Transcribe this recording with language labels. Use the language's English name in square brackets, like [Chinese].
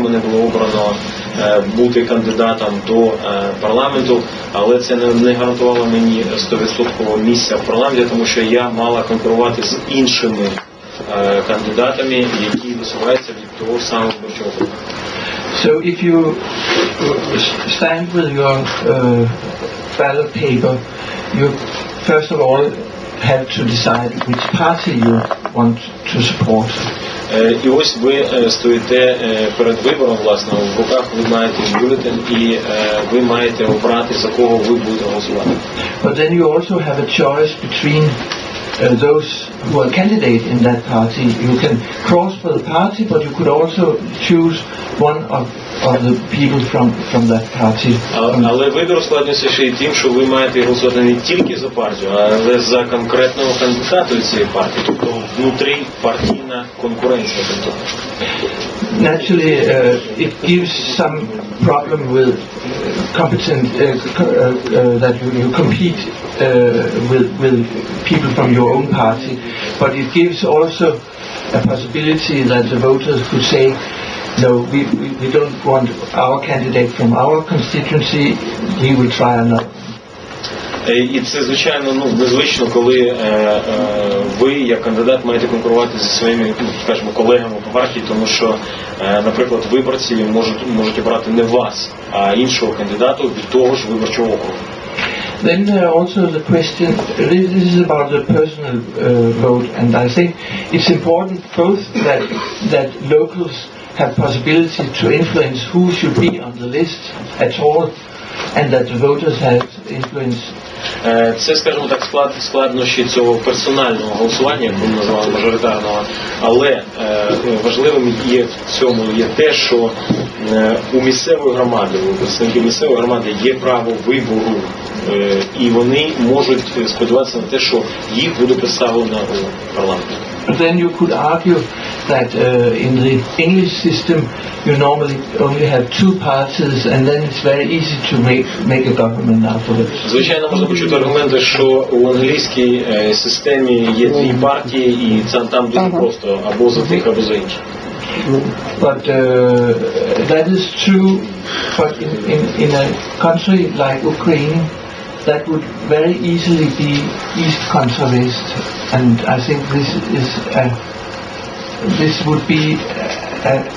[Ukrainian] Мене було обрано бути кандидатом до парламенту, але це не гарантувало мені 100% місця в парламенті, тому що я мала конкурувати з іншими кандидатами, які висуваються від того самого виборчого. [English] So if you stand with your ballot paper, you first of all have to decide which party you want to support. [Ukrainian] І ось ви стоїте перед вибором, власне, в руках ви маєте бюлетен, і ви маєте обрати, за кого ви будете голосувати. [English] But then you also have a choice between those who are candidate in that party. You can cross for the party, but you could also choose one of the people from that party. [Ukrainian] Але вибір складається ще й тим, що ви маєте голосувати не тільки за партію, але за конкретного кандидата цієї партії, тобто внутрі партійна конкуренція. [English] Naturally, it gives some problem with competent that you compete with people from your own party, but it gives also a possibility that the voters could say, no, we don't want our candidate from our constituency, we will try another. [Ukrainian] І це, звичайно, ну, незвично, коли ви, як кандидат, маєте конкурувати зі своїми, ну, скажімо, колегами по партії, тому що, наприклад, виборці можуть обрати не вас, а іншого кандидата від того ж виборчого округу. [English] Then there also the question, this is about the personal vote, and I think it's important both that locals have possibility to influence who should be on the list at all, and that the voters have influence. [Ukrainian] Це, скажімо так, складнощі цього персонального голосування, як ми називали, мажоритарного, але важливим є в цьому є те, що у місцевої громади, у представників місцевої громади є право вибору, і вони можуть сподіватися на те, що їх буде представлено у парламенті. [English] Then you could argue that in the English system you normally only have two parties and then it's very easy to make a government afterwards. [Ukrainian] Звичайно, можна почути аргументи, що у англійській системі є дві партії і це там дуже просто, або за тих, або за інших. [English] But that is true, but in a country like Ukraine that would very easily be East Conservative, and I think this is this would be a